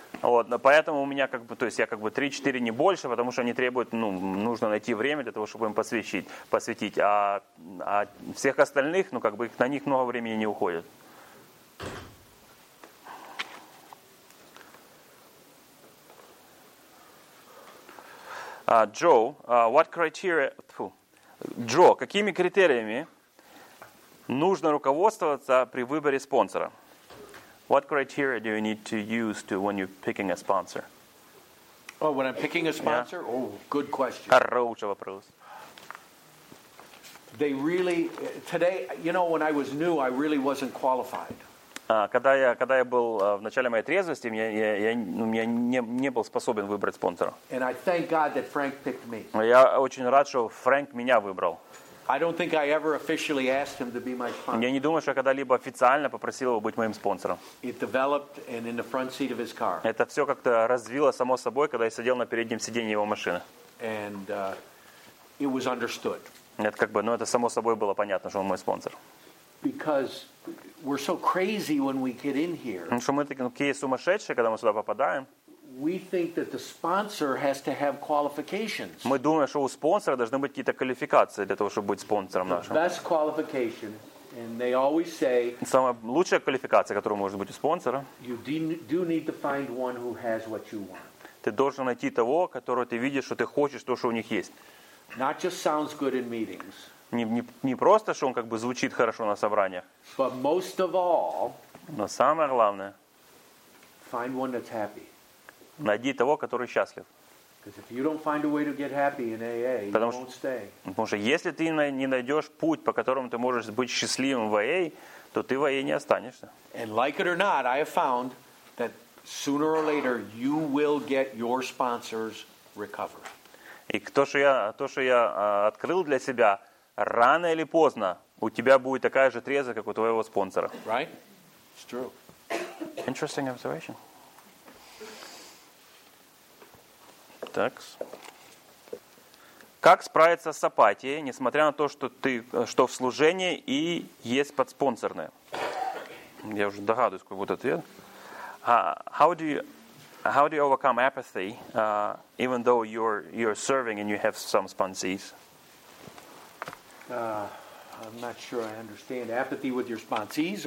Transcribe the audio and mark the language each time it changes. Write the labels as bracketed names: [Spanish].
[Russian] Вот, но поэтому у меня как бы, то есть я как бы 3-4, не больше, потому что они требуют, ну, нужно найти время для того, чтобы им посвятить. А всех остальных, ну, как бы на них много времени не уходит. Джо, какими критериями нужно руководствоваться при выборе спонсора? [English] What criteria do you need to use to when you're picking a sponsor? Oh, when I'm picking a sponsor? Yeah. Oh, good question. [Russian] Хороший вопрос. [English] They really today, you know, when I was new, I really wasn't qualified. [Russian] Когда я был в начале моей трезвости, я не был способен выбрать спонсора. [English] And I thank God that Frank picked me. [Russian] Я очень рад, что Фрэнк меня выбрал. [English] I don't think I ever officially asked him to be my sponsor. [Russian] Я не думаю, что я когда-либо официально попросил его быть моим спонсором. [English] It developed and in the front seat of his car. [Russian] Это все как-то развилось само собой, когда я сидел на переднем сиденье его машины. [English] And it was understood. [Russian] Это как бы, ну это само собой было понятно, что он мой спонсор. [English] Because we're so crazy when we get in here. [Russian] Потому что мы такие сумасшедшие, когда мы сюда попадаем. [English] We think that the sponsor has to have qualifications. [Russian] Мы думаем, что у спонсора должны быть какие-то квалификации для того, чтобы быть спонсором нашим. [English] Best qualification, and they always say. [Russian] Самая лучшая квалификация, которая может быть у спонсора. [English] You do need to find one who has what you want. [Russian] Ты должен найти того, которого ты видишь, что ты хочешь то, что у них есть. [English] Not just sounds good in meetings. [Russian] Не просто, что он как бы звучит хорошо на собраниях. [English] But most of all. [Russian] Но самое главное. [English] Find one that's happy. [Russian] Найди того, который счастлив. Потому что если ты не найдешь путь, по которому ты можешь быть счастливым в АА, то ты в АА не останешься. [English] And like it or not, I have found that sooner or later you will get your sponsors recovered. [Russian] И то, что я открыл для себя, рано или поздно у тебя будет такая же треза, как у твоего спонсора. [English] Right? It's true. Interesting observation. [Russian] Так. Как справиться с апатией, несмотря на то, что в служении и есть подспонсорное? Я уже догадываюсь, какой будет ответ. [English] How do you overcome apathy, even though you're serving and you have some sponsees? I'm not sure I understand apathy with your sponsees.